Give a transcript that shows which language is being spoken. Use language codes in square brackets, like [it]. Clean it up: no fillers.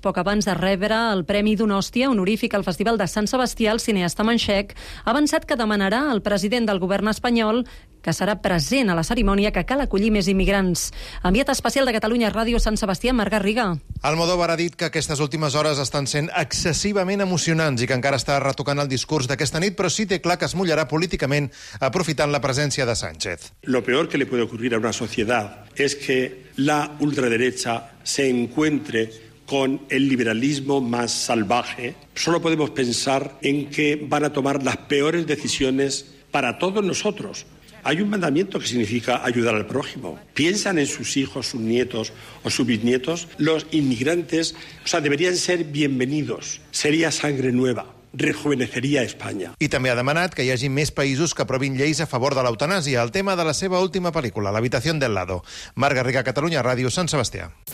[ca] Poc abans de rebre el Premi d'Hòstia honorífic al Festival de Sant Sebastià, el cineasta manxec ha avançat que demanarà al president del govern espanyol que serà present a la cerimònia que cal acollir més immigrants. Enviat especial de Catalunya Ràdio, Sant Sebastià, Marc Garriga. Almodóvar ha dit que aquestes últimes hores estan sent excessivament emocionants i que encara està retocant el discurs d'aquesta nit, però sí té clar que es mullarà políticament aprofitant la presència de Sánchez. [es] Lo peor que le puede ocurrir a una sociedad es que la ultraderecha se encuentre con el liberalismo más salvaje. Solo podemos pensar en que van a tomar las peores decisiones para todos nosotros. Hay un mandamiento que significa ayudar al prójimo. Piensan en sus hijos, sus nietos o sus bisnietos. Los inmigrantes, o sea, deberían ser bienvenidos. Sería sangre nueva. Rejuvenecería España. [ca] I també ha demanat que hi hagi més països que aprovin lleis a favor de l'eutanàsia, el tema de la seva última pel·lícula, L'habitació del lado. Marc Garriga, Catalunya Ràdio, Sant Sebastià.